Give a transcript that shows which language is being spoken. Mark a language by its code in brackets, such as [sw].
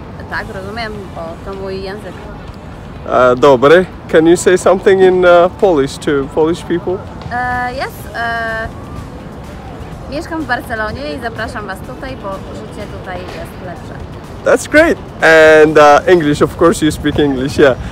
[pl] Tak, rozumiem, bo to mój język. Dobre. [en] Can you say something in Polish to Polish people? Yes. [pl] Mieszkam w Barcelonie i zapraszam was tutaj, bo życie tutaj jest lepsze. [en] That's great. And English, of course, you speak English, yeah.